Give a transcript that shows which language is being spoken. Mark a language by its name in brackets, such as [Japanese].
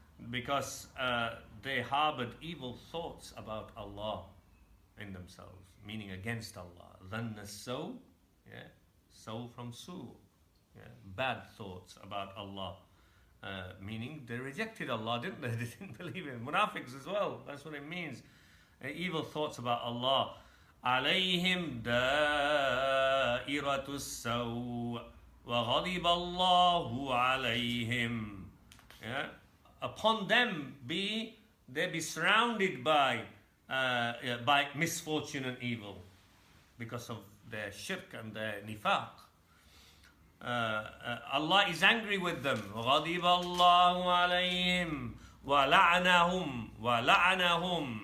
[English] Because they harbored evil thoughts about Allah in themselves, meaning against Allah. Dhanna sawu, yeah, sawu from su, yeah, bad thoughts about Allah, meaning they rejected Allah, didn't they? They didn't believe in munafiqs as well. That's what it means. Evil thoughts about Allah. [Arabic] عليهم دائرة السوء وغضب الله عليهم. [English] Upon them they be surrounded by misfortune and evil because of their shirk and their nifaq. Allah is angry with them. [Arabic] غضب الله عليهم ولعنهم ولعنهم.